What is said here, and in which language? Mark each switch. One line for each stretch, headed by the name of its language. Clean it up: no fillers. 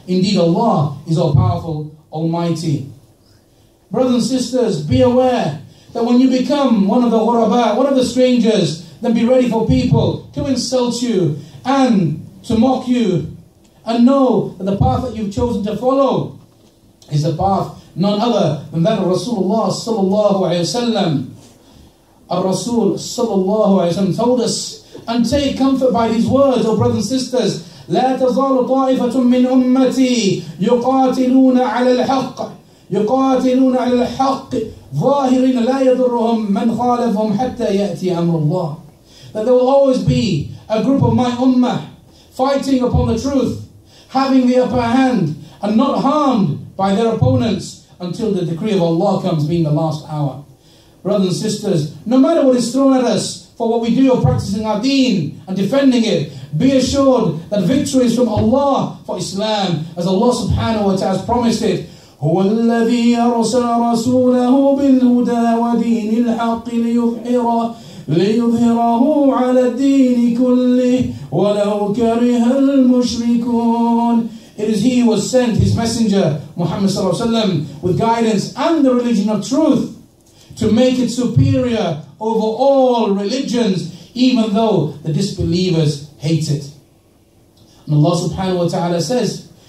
English: Indeed, Allah is all-powerful, almighty. Brothers and sisters, be aware that when you become one of the ghuraba, one of the strangers, then be ready for people to insult you and to mock you. And know that the path that you've chosen to follow is the path none other than that of Rasulullah sallallahu alayhi wa sallam. Ar-Rasul sallallahu alayhi wa sallam told us, and take comfort by these words, O brothers and sisters,
Arabic: لا تزال طائفة من أمتي يقاتلون على الحق يقاتلون على الحق ظاهرين لا يضرهم من خالفهم حتى يأتي أمر الله.
English: that there will always be a group of my ummah fighting upon the truth, having the upper hand and not harmed by their opponents until the decree of Allah comes, being the last hour. Brothers and sisters, no matter what is thrown at us for what we do of practicing our deen and defending it, be assured that victory is from Allah for Islam, as Allah subhanahu wa ta'ala has promised it.
Arabic: هو الذي أرسل رسوله بالهدى ودين الحق ليظهره على الدين كله ولو كره المشركون.
English: It is he who was sent, his messenger, Muhammad sallallahu alayhi wa sallam, with guidance and the religion of truth, to make it superior over all religions, even though the disbelievers hate it. And Allah subhanahu wa ta'ala says,